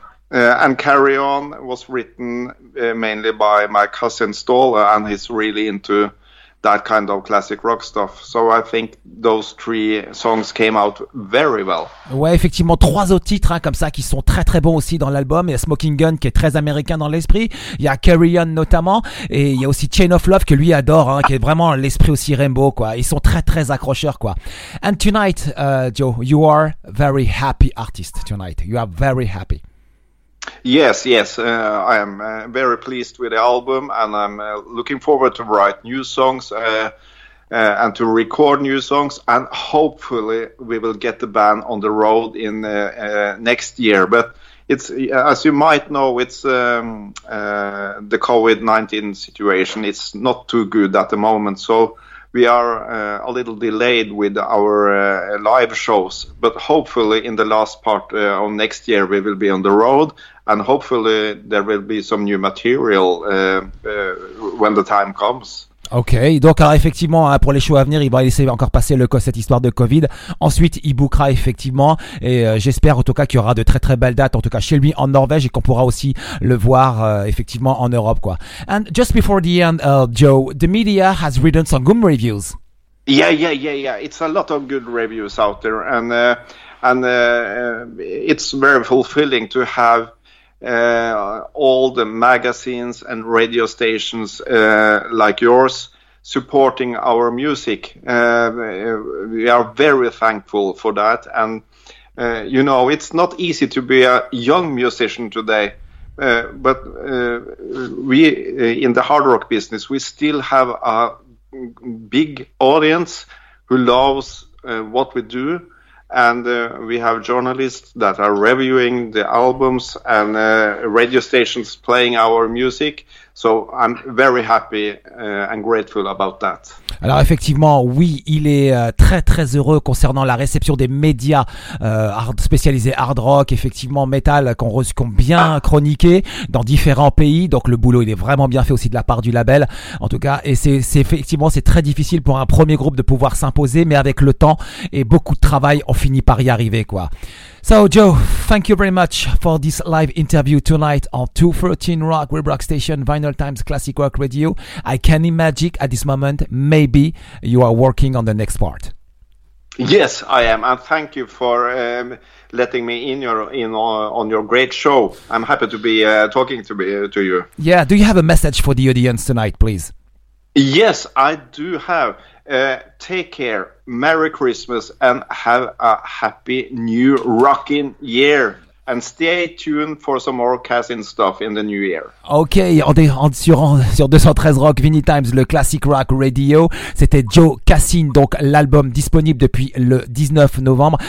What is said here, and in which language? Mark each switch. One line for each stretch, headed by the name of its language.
English: And Carry On was written mainly by my cousin Ståle, and he's really into that kind of classic rock stuff. So I think those three songs came out very well.
French: Ouais, effectivement, trois autres titres hein, comme ça qui sont très très bons aussi dans l'album. Il y a Smoking Gun qui est très américain dans l'esprit. Il y a Carry On notamment, et il y a aussi Chain of Love que lui adore, hein, qui est vraiment l'esprit aussi Rainbow, quoi. Ils sont très très accrocheurs, quoi.
English: And tonight, Joe, you are very happy artist tonight. You are very happy. Yes, I am very pleased with the album, and I'm looking forward to write new songs and to record new songs, and hopefully we will get the band on the road in next year. But it's, as you might know, it's the COVID-19 situation, it's not too good at the moment, so we are a little delayed with our live shows, but hopefully in the last part of next year we will be on the road, and hopefully there will be some new material when the time comes.
French: Ok, donc alors effectivement hein, pour les shows à venir, il va laisser encore passer cette histoire de Covid. Ensuite, il bookera effectivement, et j'espère en tout cas qu'il y aura de très très belles dates en tout cas chez lui en Norvège, et qu'on pourra aussi le voir effectivement en Europe, quoi.
English: And just before the end, Joe, the media has written some good reviews. Yeah. It's a lot of good reviews out there, and it's very fulfilling to have all the magazines and radio stations like yours supporting our music. We are very thankful for that. And, you know, it's not easy to be a young musician today, but we in the hard rock business, we still have a big audience who loves what we do, and we have journalists that are reviewing the albums and radio stations playing our music. So I'm very happy and grateful about that.
French: Alors effectivement, oui, il est très très heureux concernant la réception des médias spécialisés hard rock, effectivement metal, qu'on bien chroniqué dans différents pays. Donc le boulot, il est vraiment bien fait aussi de la part du label, en tout cas. Et c'est effectivement, c'est très difficile pour un premier groupe de pouvoir s'imposer, mais avec le temps et beaucoup de travail, on finit par y arriver, quoi.
English: So Joe, thank you very much for this live interview tonight on 213 Rock, Web Rock Station, Vinyl Times, Classic Rock Radio. I can imagine at this moment, maybe you are working on the next part. Yes, I am. And thank you for letting me on your great show. I'm happy to be talking to you. Yeah, do you have a message for the audience tonight, please? Yes, I do have. Take care, Merry Christmas, and have a happy new rocking year. And stay tuned for some more casting stuff in the new year.
French: Ok, sur 213 Rock Vinny Times, le Classic Rock Radio, c'était Joe Cassin, donc l'album disponible depuis le 19 novembre.